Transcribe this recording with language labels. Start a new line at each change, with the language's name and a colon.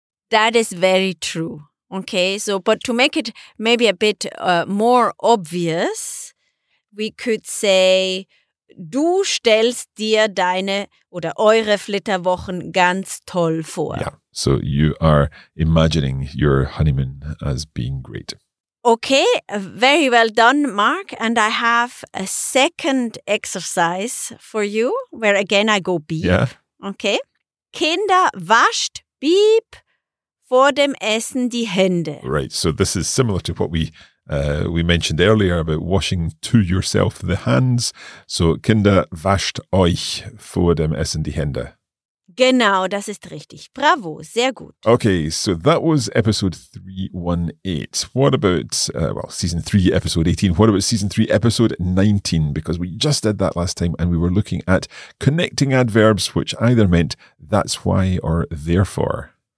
English: That is very true. Okay, so but to make it maybe a bit more obvious, we could say,
German: du stellst dir deine oder eure Flitterwochen ganz toll vor.
English: Yeah. So you are imagining your honeymoon as being great. Okay, very well done, Mark. And I have a second exercise for you, where again I go beep. Yeah. Okay.
German: Kinder wascht beep vor dem Essen die Hände.
English: Right, so this is similar to what we mentioned earlier about washing to yourself the hands.
German: So Kinder wascht euch vor dem Essen die Hände. Genau, das ist richtig. Bravo, sehr gut.
English: Okay, so that was episode 318. What about, season 3, episode 18. What about season 3, episode 19? Because we just did that last time and we were looking at connecting adverbs, which either meant that's why or therefore.